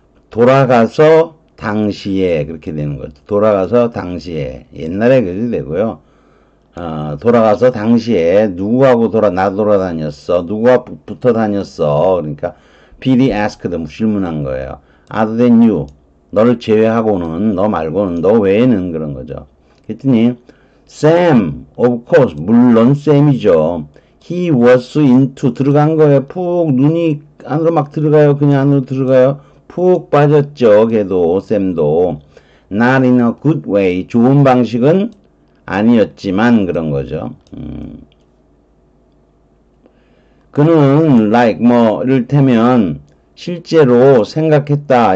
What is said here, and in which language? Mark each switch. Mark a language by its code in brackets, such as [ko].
[ko] 돌아가서 당시에 그렇게 되는 거죠. 돌아가서 당시에 옛날에 그래도 되고요. 돌아가서 당시에 누구하고 나 돌아다녔어? 누구와 붙어 다녔어? 그러니까 [en] Pete asked them [ko] 질문한 거예요. [en] Other than you, [ko] 너를 제외하고는 너 말고는 너 외에는 그런 거죠. 그랬더니 Sam, [en] of course, [ko] 물론 Sam이죠. [en] He was into, [ko] 들어간 거예요. 푹, 눈이 안으로 막 들어가요. 그냥 안으로 들어가요. 푹 빠졌죠. 걔도, 쌤도. [en] Not in a good way. [ko] 좋은 방식은 아니었지만, 그런 거죠. 그는, like, 뭐, 이를테면, 실제로 생각했다.